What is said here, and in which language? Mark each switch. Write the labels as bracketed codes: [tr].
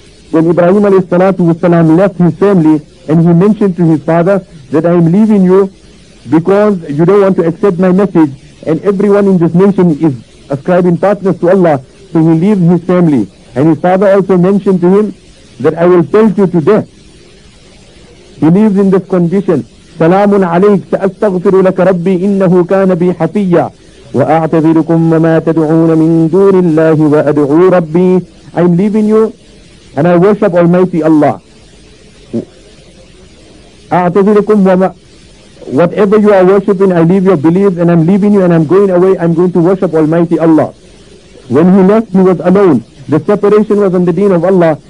[en] When Ibrahim alayhi salatu wasalam left his family, and he mentioned to his father that I am leaving you because you don't want to accept my message, and everyone in this nation is ascribing partners to Allah, so he leaves his family. And his father also mentioned to him that I will pelt you to death. He leaves in this condition. [ar] سلام عليك سأستغفر لك ربي إنه كان بي حفيا وأعتذركم وما تدعون من دون الله وأدعو ربي. [en] I'm leaving you and I worship Almighty Allah. [ar] أعتذركم وما, [en] whatever you are worshiping, I leave your beliefs, and I'm leaving you and I'm going away, I'm going to worship Almighty Allah. When he left, he was alone. The separation was on the deen of Allah.